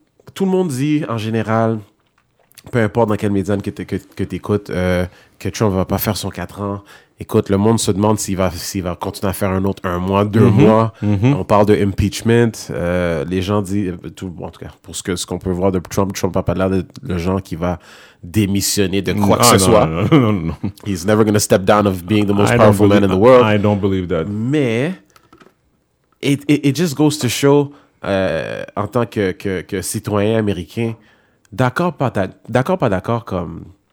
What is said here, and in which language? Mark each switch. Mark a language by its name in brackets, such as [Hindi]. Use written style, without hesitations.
[French] tout le monde dit, en général, peu importe dans quelle médiane que tu écoutes, que Trump va pas faire son 4 ans. Écoute, le monde se demande s'il va continuer à faire un autre 1 mois, 2 mm-hmm. mois. Mm-hmm. On parle de impeachment. Les gens disent, tout, bon, en tout cas, pour ce qu'on peut voir de Trump, Trump n'a pas l'air de le genre qui va démissionner de quoi que ce soit. Non. [English] He's never going to step down of being the most powerful man in the world. I don't believe that. [French] Mais, [English] it just goes to show, [French] en tant que citoyen américain, d'accord, pas d'accord, comme...